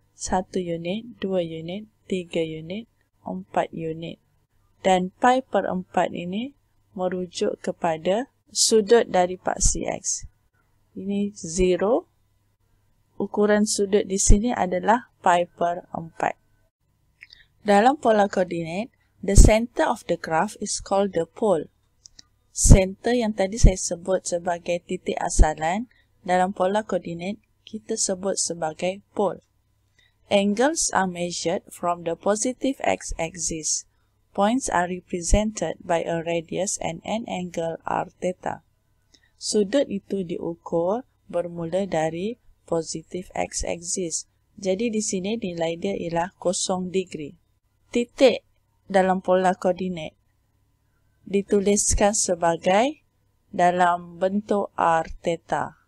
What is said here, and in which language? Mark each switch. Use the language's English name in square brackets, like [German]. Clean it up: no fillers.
[Malay] 1 unit, 2 unit, 3 unit, 4 unit. Dan pi per 4 ini merujuk kepada sudut dari paksi X. Ini 0. Ukuran sudut di sini adalah pi per 4. Dalam [English] polar coordinate, the center of the graph is called the pole. [Malay] Center yang tadi saya sebut sebagai titik asalan, dalam polar coordinate, kita sebut sebagai pole. [English] Angles are measured from the positive x-axis. Points are represented by a radius and an angle r theta. [Malay] Sudut itu diukur bermula dari positif x-axis. Jadi di sini nilai dia ialah 0 degree. Titik dalam pola koordinat dituliskan sebagai dalam bentuk r theta.